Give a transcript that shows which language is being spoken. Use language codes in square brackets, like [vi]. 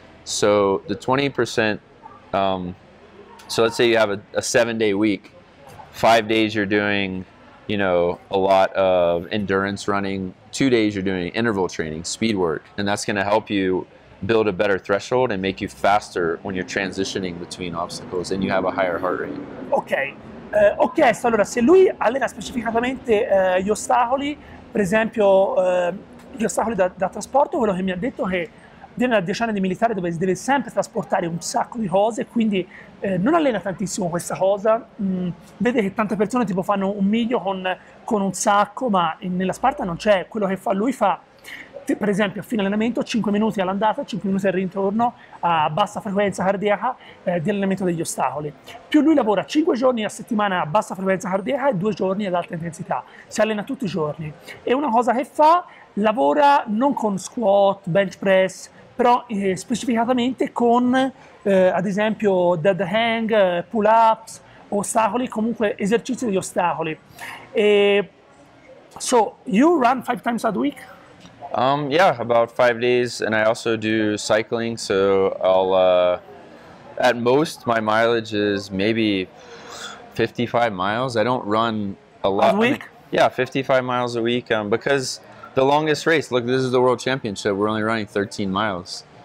[en] So the 20%, so let's say you have a 7 day week, 5 days you're doing, you know, a lot of endurance running, 2 days you're doing interval training, speed work, and that's gonna help you build a better threshold and make you faster when you're transitioning between obstacles and you have a higher heart rate. Okay. [it] Ho chiesto allora se lui allena specificatamente gli ostacoli, per esempio gli ostacoli da trasporto. Quello che mi ha detto è che viene da 10 anni di militare dove si deve sempre trasportare un sacco di cose, quindi non allena tantissimo questa cosa. Vede che tante persone tipo fanno un miglio con un sacco, ma nella Sparta non c'è. Quello che fa lui fa, per esempio, a fine allenamento 5 minuti all'andata, 5 minuti al ritorno a bassa frequenza cardiaca di allenamento degli ostacoli. Più lui lavora 5 giorni a settimana a bassa frequenza cardiaca e 2 giorni ad alta intensità. Si allena tutti i giorni. E una cosa che fa, lavora non con squat, bench press, però specificatamente con, ad esempio, dead hang, pull-ups, ostacoli, comunque esercizi di ostacoli. [en] E, so, you run 5 times a week? Yeah, about 5 days, and I also do cycling, so I'll, at most, my mileage is maybe 55 miles. I don't run a lot. A week? I mean, yeah, 55 miles a week, because the longest race, look, this is the World Championship, we're only running 13 miles.